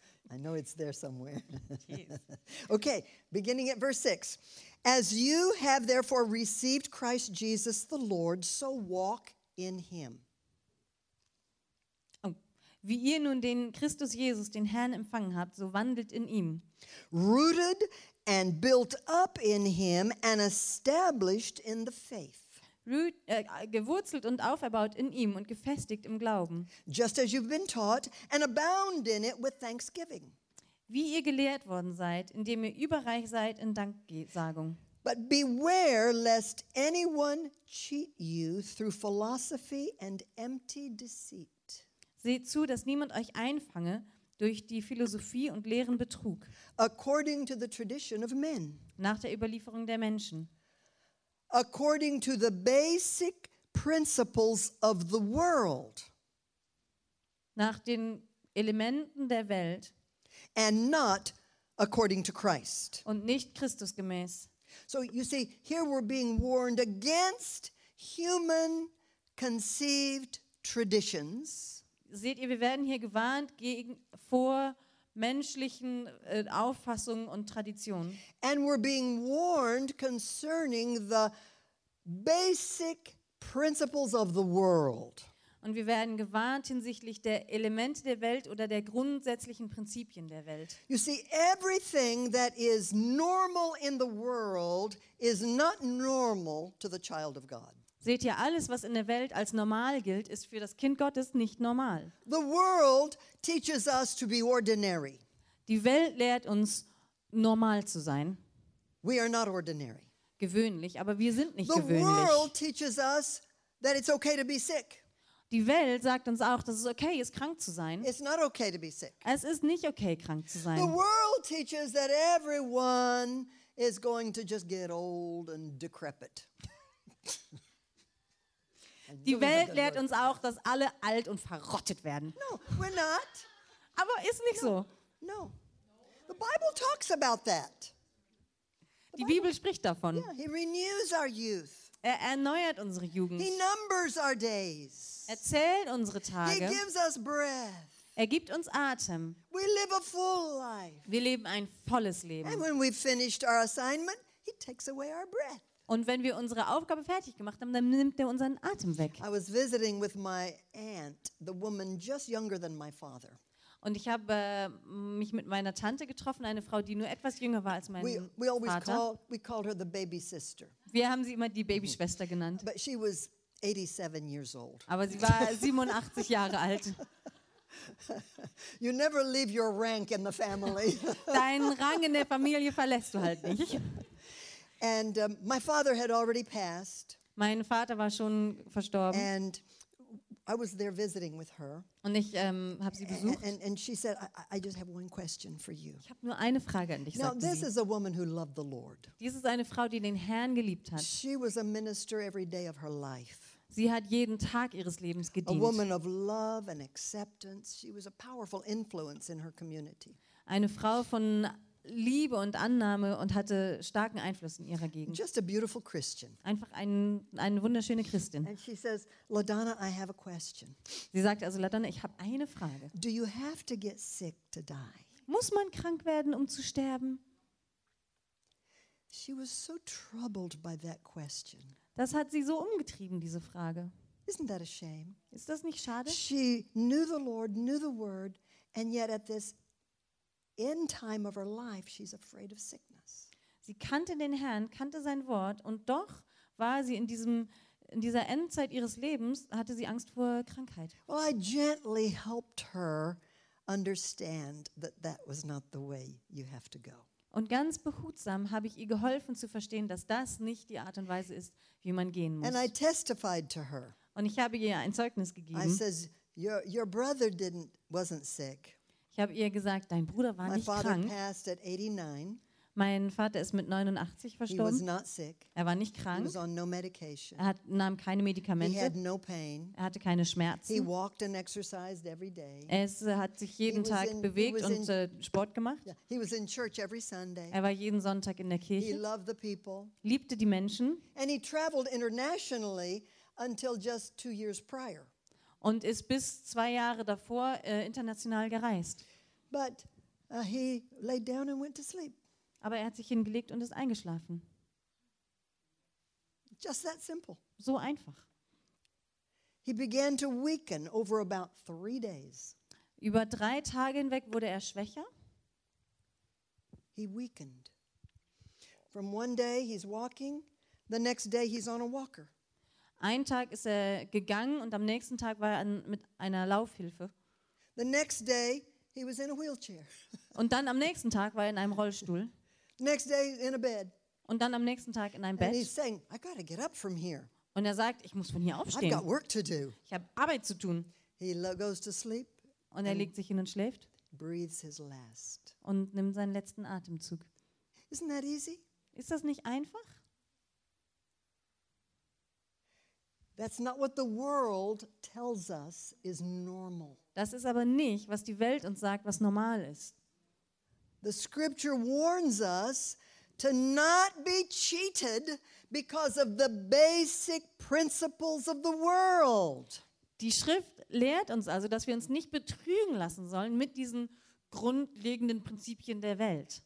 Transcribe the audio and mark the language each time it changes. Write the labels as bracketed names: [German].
[English] I know it's there somewhere. Okay, beginning at verse 6. As you have therefore received Christ Jesus the Lord, so walk in him. Oh. [German] Wie ihr nun den Christus Jesus, den Herrn, empfangen habt, so wandelt in ihm. [English] Rooted and built up in him and established in the faith. [German] Gewurzelt und auferbaut in ihm und gefestigt im Glauben. [English] Just as you've been taught and abound in it with thanksgiving. [German] Wie ihr gelehrt worden seid, indem ihr überreich seid in Danksagung. [English] But beware lest anyone cheat you through philosophy and empty deceit. [German] Seht zu, dass niemand euch einfange durch die Philosophie und leeren Betrug. [English] According to the tradition of men. [German] Nach der Überlieferung der Menschen. [English] According to the basic principles of the world. [German] Nach den Elementen der Welt. [English] And not according to Christ. [German] Und nicht Christusgemäß. [English] So you see, here we're being warned against human conceived traditions. [German] Seht ihr, wir werden hier gewarnt gegen vor menschlichen Auffassungen und Traditionen. [English] And we're being warned concerning the basic principles of the world. [German] Und wir werden gewarnt hinsichtlich der Elemente der Welt oder der grundsätzlichen Prinzipien der Welt. [English] You see, everything that is normal in the world is not normal to the child of God. [German] Seht ihr, alles, was in der Welt als normal gilt, ist für das Kind Gottes nicht normal. [English] The world teaches us to be ordinary. [German] Die Welt lehrt uns, normal zu sein. [English] We are not ordinary. [German] Gewöhnlich, aber wir sind nicht [English] the [German] gewöhnlich. [English] The world teaches us that it's okay to be sick. [German] Die Welt sagt uns auch, dass es okay ist, krank zu sein. [English] It's not okay to be sick. [German] Es ist nicht okay, krank zu sein. [English] The world teaches that everyone is going to just get old and decrepit. [German] Die Welt lehrt uns auch, dass alle alt und verrottet werden. [English] No, we're not. [German] Aber ist nicht [English] no, [German] so. [English] No. The Bible talks about that. [German] Die Bibel spricht davon. [English] Yeah, he renews our youth. [German] Er erneuert unsere Jugend. [English] He numbers our days. [German] Er zählt unsere Tage. [English] He gives us breath. [German] Er gibt uns Atem. [English] We live a full life. [German] Wir leben ein volles Leben. [English] And when we finished our assignment, he takes away our breath. [German] Und wenn wir unsere Aufgabe fertig gemacht haben, dann nimmt er unseren Atem weg. [English] I was visiting with my aunt, the woman just younger than my father. [German] Und ich habe mich mit meiner Tante getroffen, eine Frau, die nur etwas jünger war als mein Vater. [English] We called her the baby sister. [German] Wir haben sie immer die Babyschwester genannt. [English] But she was 87 years old. [German] Aber sie war 87 Jahre alt. [English] You never leave your rank in the family. [German] Deinen Rang in der Familie verlässt du halt nicht. [English] And my father had already passed. [German] Mein Vater war schon verstorben. [English] And I was there visiting with her. [German] Und ich habe sie besucht. [English] And she said, I just have one question for you. [German] Ich habe nur eine Frage an dich, [English] Now, [German] sagte [English] this [German] sie. [English] Is a woman who loved the Lord. [German] Dies ist eine Frau, die den Herrn geliebt hat. [English] She was a minister every day of her life. [German] Sie hat jeden Tag ihres Lebens gedient. [English] A woman of love and acceptance. She was a powerful influence in her community. [German] Eine Frau von Liebe und Annahme und hatte starken Einfluss in ihrer Gegend. [English] Just a beautiful Christian. [German] Einfach eine wunderschöne Christin. [English] And she says, LaDonna, I have a question. [German] Sie sagt also, LaDonna, ich habe eine Frage. [English] Do you have to get sick to die? [German] Muss man krank werden, um zu sterben? [English] She was so troubled by that question. [German] Das hat sie so umgetrieben, diese Frage. [English] Isn't that a shame? [German] Ist das nicht schade? [English] She knew the Lord, knew the word, and yet at this end time of her life, she's afraid of sickness. [German] Sie kannte den Herrn, kannte sein Wort, und doch war sie in dieser Endzeit ihres Lebens hatte sie Angst vor Krankheit. [English] Well, I gently helped her understand that that was not the way you have to go. [German] Und ganz behutsam habe ich ihr geholfen zu verstehen, dass das nicht die Art und Weise ist, wie man gehen muss. [English] And I testified to her. [German] Und ich habe ihr ein Zeugnis gegeben. [English] I says, your brother wasn't sick. [German] Ich habe ihr gesagt, dein Bruder war nicht krank. [English] My father passed at 89. [German] Mein Vater ist mit 89 verstorben. [English] He was not sick. [German] Er war nicht krank. [English] He was on no medication. [German] Er nahm keine Medikamente. [English] He had no pain. [German] Er hatte keine Schmerzen. [English] He walked and exercised every day. [German] Er hat sich jeden Tag bewegt und Sport gemacht. [English] Yeah. He was in church every Sunday. [German] Er war jeden Sonntag in der Kirche. [English] He loved the people. [German] Liebte die Menschen. [English] And he traveled internationally until just 2 years prior. [German] Und ist bis 2 Jahre davor international gereist. [English] But he laid down and went to sleep. [German] Aber er hat sich hingelegt und ist eingeschlafen. [English] Just that simple. [German] So einfach. [English] He began to weaken over about 3 days. [German] Über 3 Tage hinweg wurde er schwächer. [English] He weakened. From one day he's walking, the next day he's on a walker. [German] Ein Tag ist er gegangen und am nächsten Tag war er mit einer Laufhilfe. [English] The next day he was in a wheelchair. [German] Und dann am nächsten Tag war er in einem Rollstuhl. [English] Next day in a bed. [German] Und dann am nächsten Tag in einem Bett. [English] And he's saying, I gotta get up from here. [German] Und er sagt, ich muss von hier aufstehen. [English] I've got work to do. [German] Ich habe Arbeit zu tun. [English] He goes to sleep. [German] Und er legt sich hin und schläft. [English] Breathes his last. [German] Und nimmt seinen letzten Atemzug. [English] Isn't that easy? [German] Ist das nicht einfach? [English] That's not what the world tells us is normal. [German] Das ist aber nicht, was die Welt uns sagt, was normal ist. [English] The scripture warns us to not be cheated because of the basic principles of the world. [German] Die Schrift lehrt uns also, dass wir uns nicht betrügen lassen sollen mit diesen grundlegenden Prinzipien der Welt.